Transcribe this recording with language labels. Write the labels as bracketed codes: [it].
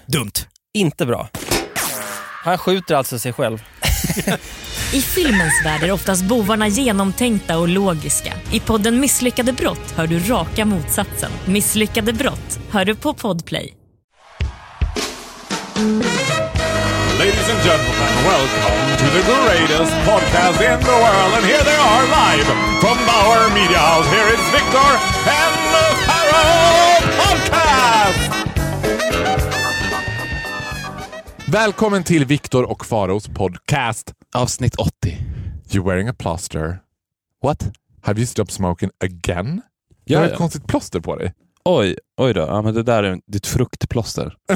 [sv] Dumt. Inte bra. Han skjuter alltså sig själv. I filmens värld är oftast bovarna genomtänkta och logiska. I podden Misslyckade brott hör du raka motsatsen. Misslyckade brott hör du på Podplay. [en] Ladies and gentlemen, welcome to the greatest podcast in the world. And here they are live from Bauer Media House. Here is Victor and the Harold Podcast! [sv] Välkommen till Victor och Faros podcast. Avsnitt 80. [en] You're wearing a plaster. What? Have you stopped smoking again? [sv] Ja, du har ett konstigt plåster på dig. Oj, oj då. Ja, men det där är ditt fruktplåster.